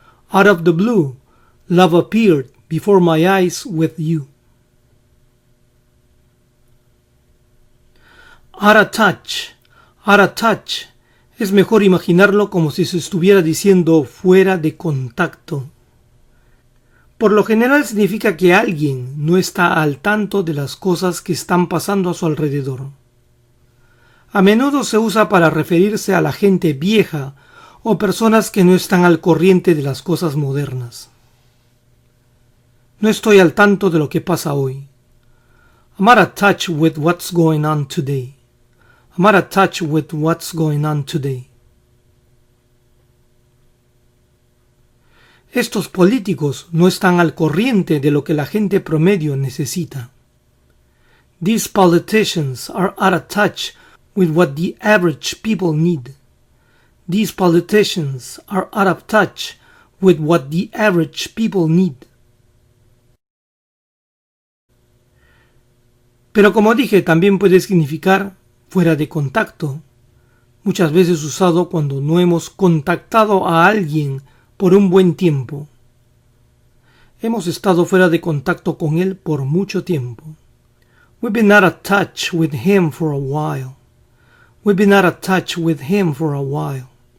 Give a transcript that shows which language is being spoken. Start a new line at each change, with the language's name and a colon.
English: Out of the blue, love appeared before my eyes with you. Out of touch,
Spanish: es mejor imaginarlo como si se estuviera diciendo fuera de contacto. Por lo general significa que alguien no está al tanto de las cosas que están pasando a su alrededor. A menudo se usa para referirse a la gente vieja o personas que no están al corriente de las cosas modernas. No estoy al tanto de lo que pasa hoy.
English: I'm out of touch with what's going on today. I'm out of touch with what's going on today.
Spanish: Estos políticos no están al corriente de lo que la gente promedio necesita.
English: These politicians are out of touch with what the average people need. These politicians are out of touch with what the average people need.
Spanish: Pero como dije, también puede significar fuera de contacto, muchas veces usado cuando no hemos contactado a alguien por un buen tiempo. Hemos estado fuera de contacto con él por mucho tiempo.
English: We've been out of touch with him for a while. We've been out of touch with him for a while.